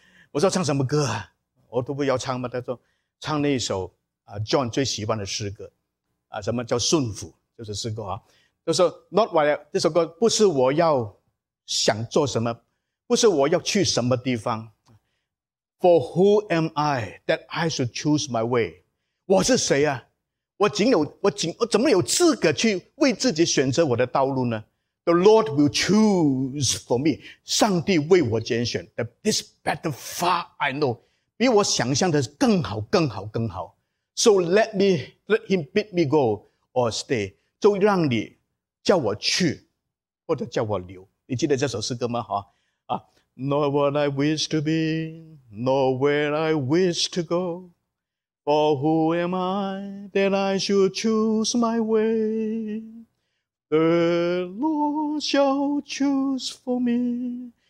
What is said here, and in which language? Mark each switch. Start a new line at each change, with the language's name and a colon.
Chinese: 我说唱什么歌啊，我都不要唱吗？他说唱那一首John 最喜欢的诗歌啊，什么叫顺服，就是诗歌啊。就说
English: Not what I,
Chinese: 这首歌不是我要想做什么，不是我要去什么地方。
English: For who am I that I should choose my way?
Chinese: 我是谁啊？我怎么有资格去为自己选择我的道路呢？
English: The Lord will choose for me.
Chinese: 上帝为我拣选。
English: This better far I know.
Chinese: 比我想象的更好更好更好。
English: So let him bid me go or stay.
Chinese: 就让你叫我去或者叫我留。你记得这首诗歌吗？
English: 啊， Not what I wish to be, nor where I wish to go. For who am I that I should choose my way? The Lord shall choose for me.